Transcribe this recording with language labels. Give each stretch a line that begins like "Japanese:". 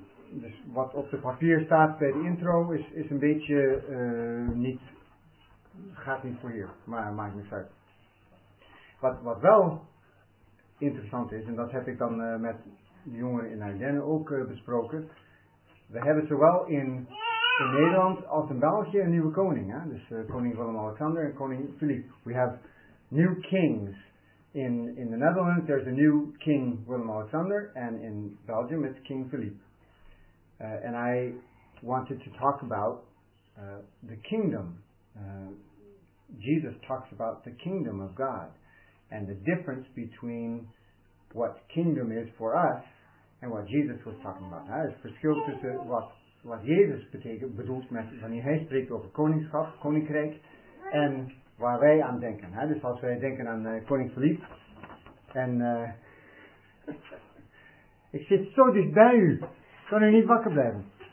Dutch: Dus wat op de papier staat bij de intro is een beetje niet, gaat niet voor hier, maar maakt niet uit. Wat wel interessant is, en dat heb ik dan met de jongeren in Ardennen ook besproken. We hebben zowel in Nederland als in België een nieuwe koning. Hè? Dus koning Willem-Alexander en koning Philippe.
English: We have new kings. In the Netherlands there's a new king Willem-Alexander, and in Belgium it's king Philippe. And I wanted to talk about the kingdom. Jesus talks about the kingdom of God. And the difference between what kingdom is for us and what Jesus was talking about.
Dutch: Het verschil tussen wat Jezus betekent, bedoelt met wanneer hij spreekt over koningschap, koninkrijk, en waar wij aan denken. Hè? Dus als wij denken aan koning Philippe. En ik zit zo dicht bij u, kan u niet wakker blijven.